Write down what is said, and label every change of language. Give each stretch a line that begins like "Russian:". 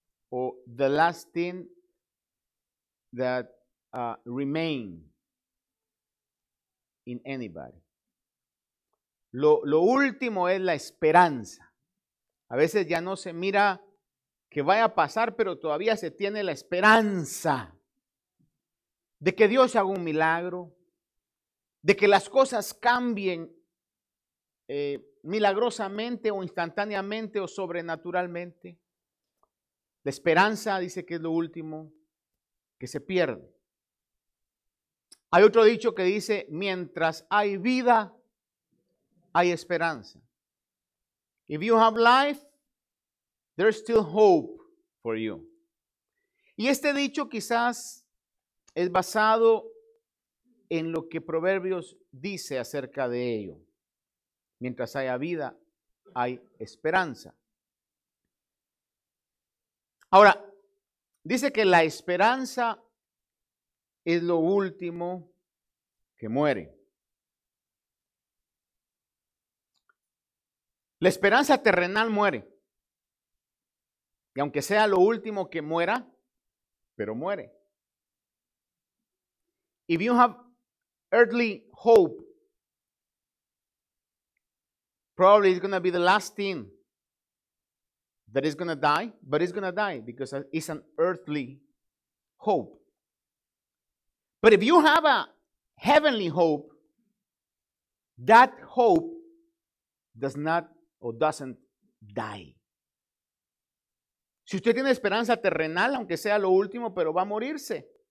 English: O the last thing that remain in anybody.
Spanish: Lo último es la esperanza. A veces ya no se mira que vaya a pasar, pero todavía se tiene la esperanza de que Dios haga un milagro, de que las cosas cambien milagrosamente o instantáneamente o sobrenaturalmente. La esperanza dice que es lo último que se pierde. Hay otro dicho que dice, mientras hay vida, hay esperanza.
English: If you have life, there's still hope for you.
Spanish: Y este dicho quizás es basado en lo que Proverbios dice acerca de ello. Mientras haya vida, hay esperanza. Ahora, dice que la esperanza es lo último que muere. La esperanza terrenal muere. Y aunque sea lo último que muera, pero muere.
English: If you have earthly hope, probably it's going to be the last thing that is going to die, but it's going to die because it's an earthly hope. But if you have a heavenly hope, that hope does not or doesn't die.
Spanish: Si usted tiene esperanza terrenal, aunque sea lo último, pero va a morirse.